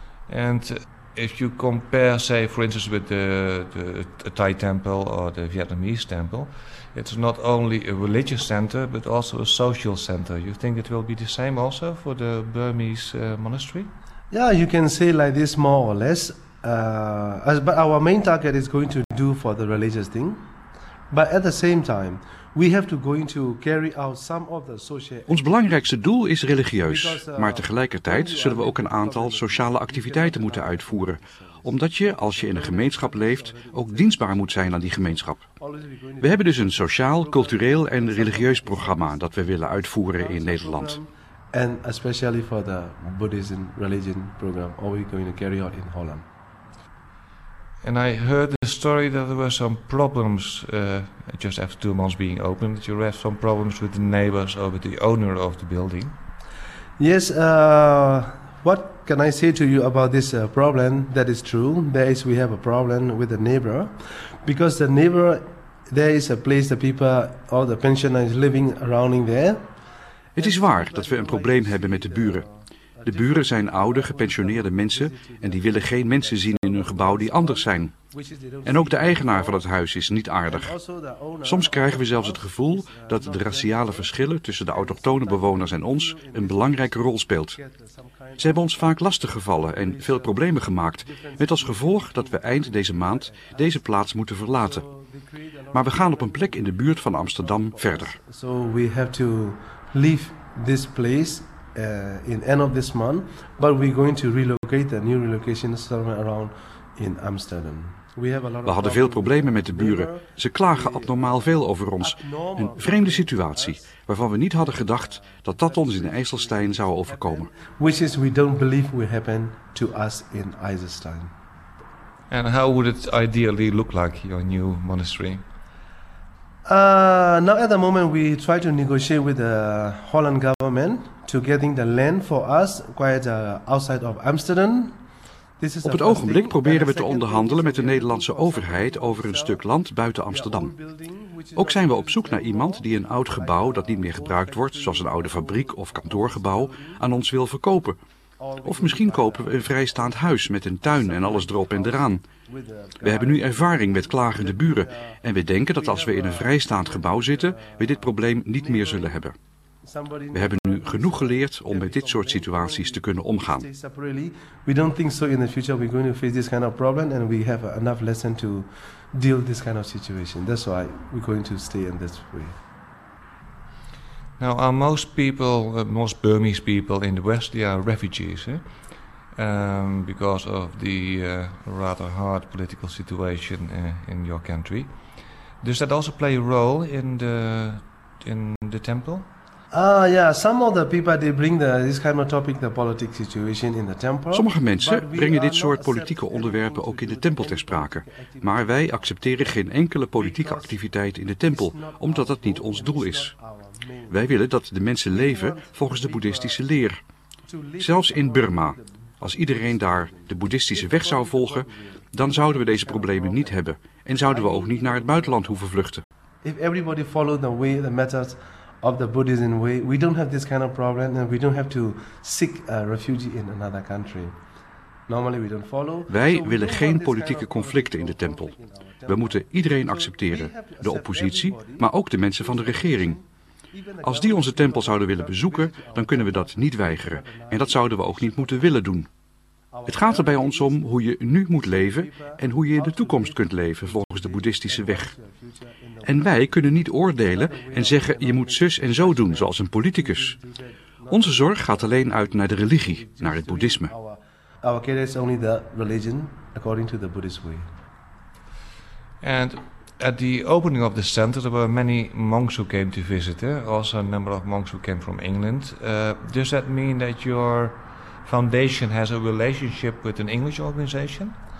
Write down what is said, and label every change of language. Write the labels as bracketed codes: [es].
[en] And if you compare, say, for instance, with the Thai temple or the Vietnamese temple, it's not only a religious center, but also a social center. You think it will be the same also for the Burmese monastery? Yeah, you can say like this more or less. But our main target is going to do for the religious thing. But at the same time, we have to go to carry out some of the social. [nl] Ons belangrijkste doel is religieus, maar tegelijkertijd zullen we ook een aantal sociale activiteiten moeten uitvoeren, omdat je, als je in een gemeenschap leeft, ook dienstbaar moet zijn aan die gemeenschap. We hebben dus een sociaal, cultureel en religieus programma dat we willen uitvoeren in Nederland. [en] And especially for the Buddhism religion program, all we're going to carry out in Holland. And I heard the story that there were some problems just after 2 months being open. That you had some problems with the neighbors or with the owner of the building. Yes, what can I say to you about this problem? That is true. There is, we have a problem with the neighbor. Because the neighbor, there is a place the people, all the pensioners is living around there. [nl] Het is waar dat we een probleem hebben met de buren. De buren zijn oude, gepensioneerde mensen en die willen geen mensen zien in hun gebouw die anders zijn. En ook de eigenaar van het huis is niet aardig. Soms krijgen we zelfs het gevoel dat de raciale verschillen tussen de autochtone bewoners en ons een belangrijke rol speelt. Ze hebben ons vaak lastiggevallen en veel problemen gemaakt, met als gevolg dat we eind deze maand deze plaats moeten verlaten. Maar we gaan op een plek in de buurt van Amsterdam verder. [en] So we have to leave this place. In end of this month, but we're going to relocate the new relocation somewhere around in Amsterdam. [nl] We hadden veel problemen met de buren. Ze klagen abnormaal veel over ons. Een vreemde situatie, waarvan we niet hadden gedacht dat dat ons in IJsselstein zou overkomen. [en] Which is we don't believe will happen to us in IJsselstein. And how would it ideally look like your new monastery? Now at the moment we try to negotiate with the Holland government to getting the land for us quite outside of Amsterdam. [nl] Op het ogenblik proberen we te onderhandelen met de Nederlandse overheid over een stuk land buiten Amsterdam. Ook zijn we op zoek naar iemand die een oud gebouw dat niet meer gebruikt wordt, zoals een oude fabriek of kantoorgebouw, aan ons wil verkopen. Of misschien kopen we een vrijstaand huis met een tuin en alles erop en eraan. We hebben nu ervaring met klagende buren en we denken dat als we in een vrijstaand gebouw zitten, we dit probleem niet meer zullen hebben. We hebben nu genoeg geleerd om met dit soort situaties te kunnen omgaan. [en] We don't think so in the future we're going to face this kind of problem and we have enough lesson to deal this kind of situation. That's why we're going to stay in this way. Now, are most people, most Burmese people in the West, they are refugees, eh? Because of the rather hard political situation in your country. Does that also play a role in the temple? Some of the people they bring this kind of topic, the political situation in the temple. [nl] Sommige mensen brengen dit soort politieke onderwerpen ook in de tempel ter sprake. Maar wij accepteren geen enkele politieke activiteit in de tempel, omdat dat niet ons doel is. Wij willen dat de mensen leven volgens de boeddhistische leer. Zelfs in Burma, als iedereen daar de boeddhistische weg zou volgen, dan zouden we deze problemen niet hebben en zouden we ook niet naar het buitenland hoeven vluchten. [en] If everybody followed the way, the methods of the Buddhism way, we don't have this kind of problem, and we don't have to seek a refugee in another country. Normally we don't follow. [nl] Wij willen geen politieke conflicten in de tempel. We moeten iedereen accepteren, de oppositie, maar ook de mensen van de regering. Als die onze tempel zouden willen bezoeken, dan kunnen we dat niet weigeren. En dat zouden we ook niet moeten willen doen. Het gaat er bij ons om hoe je nu moet leven en hoe je in de toekomst kunt leven volgens de boeddhistische weg. En wij kunnen niet oordelen en zeggen je moet zus en zo doen, zoals een politicus. Onze zorg gaat alleen uit naar de religie, naar het boeddhisme. [en] Our care is only the religion according to the Buddhist way. And at the opening of the center, there were many monks who came to visit. Also, a number of monks who came from England. Does that mean that your foundation has a relationship with an English organization?